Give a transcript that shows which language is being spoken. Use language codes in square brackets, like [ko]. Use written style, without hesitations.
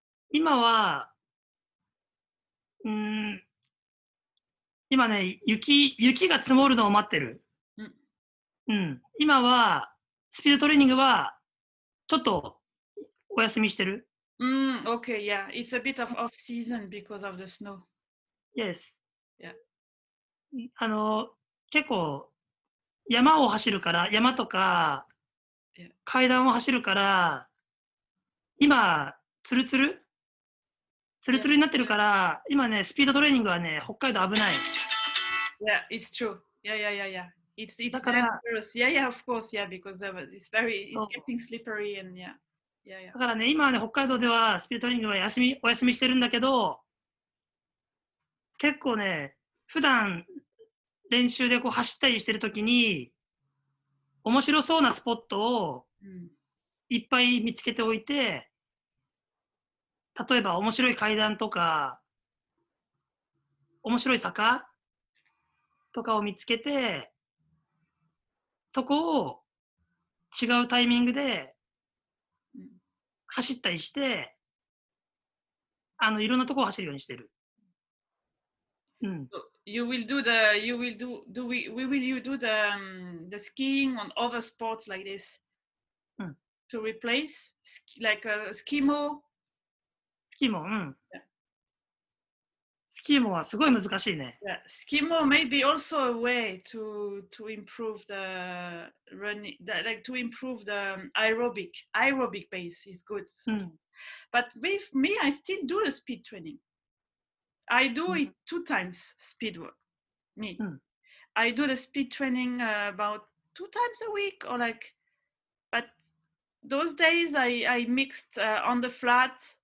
[ja] 今は、今ね、雪が積もるのを待ってる。今は、スピードトレーニングはちょっとお休みしてる。 [en] Okay, yeah. It's a bit of off-season because of the snow. Yes. Yeah. [ja] 結構、山を走るから、山とか、階段を走るから、今、ツルツル? ツルツルになってるから、今ね、スピードトレーニングはね、北海道危ない。 [en] Yeah, it's true. Yeah. It's dangerous. Yeah, yeah, of course, yeah, because it's getting slippery and yeah. [ja] だからね、今はね、北海道ではスピードトレーニングは休み、お休みしてるんだけど、結構ね、普段練習でこう走ったりしてるときに、面白そうなスポットをいっぱい見つけておいて、例えば面白い階段とか、面白い坂とかを見つけて、そこを違うタイミングで、走ったりして、いろんなところを走るようにしてる。 [en] You will do the, you will do, do we, will you do the, the skiing on other sports like this? To replace? Like a skimo? [ja] Skimo, Skimo はすごい難しいね。 [en] Skimo may be also a way to improve the running, like to improve the aerobic. Aerobic base is good. But with me, I still do a speed training. I do it two times speed work. Me. I do the speed training about two times a week or like, but those days I mixed on the flat.